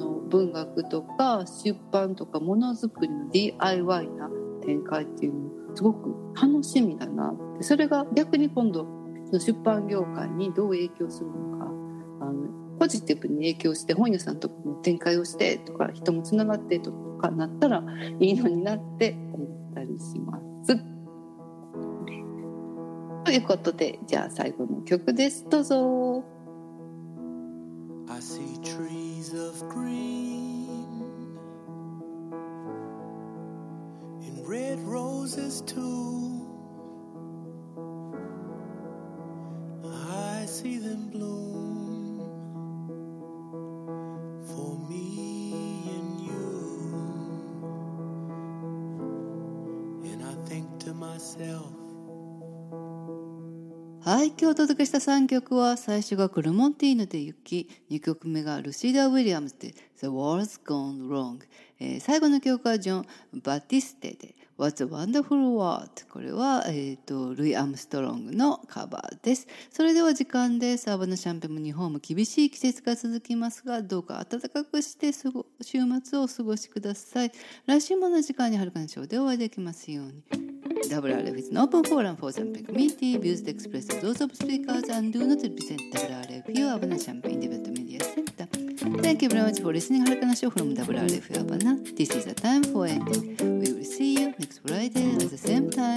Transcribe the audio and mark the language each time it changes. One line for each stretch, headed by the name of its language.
Japanese: 文学とか出版とかものづくりの DIY な展開っていうのがすごく楽しみだなって、それが逆に今度の出版業界にどう影響するのか、ポジティブに影響して本屋さんとかも展開をしてとか、人もつながってとかなったらいいのになって思ったりします。ということで、じゃあ最後の曲です、どうぞ。
English: I see trees of green and red roses too. I see them bloom for me and you. And I think to myself.
Japanese: はい、今日お届けした3曲は、最初がクルモンティーヌで雪、2曲目がルシーダ・ウィリアムズで The World's Gone Wrong、最後の曲はジョン・バティステで What's a Wonderful World、 これは、ルイ・アムストロングのカバーです。それでは時間です。アバナシャンペも日本も厳しい季節が続きますが、どうか暖かくして週末をお過ごしください。来週もの時間に遥かな賞でお会いできますように。
English: WRF is an open forum for the public meeting. Views expressed those of speakers and do not represent WRF or Abana Champagne Development Media Center. Thank you very much for listening. Harukana Show from WRF Abana. This is the time for ending. We will see you next Friday at the same